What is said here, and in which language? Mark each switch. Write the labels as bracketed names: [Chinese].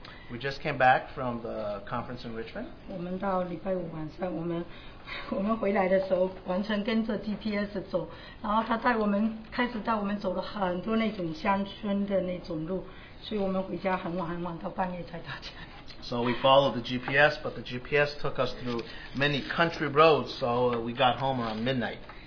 [English] We just came back from the conference in Richmond. [Chinese] 我们到礼拜五晚上，我们回来的时候，完全跟着 GPS 走，然后他带我们开始带我们走了很多那种乡村的那种路，所以我们回家很晚很晚，到半夜才到家。 [English] So we followed the GPS, but the GPS took us through many country roads, so we got home around midnight.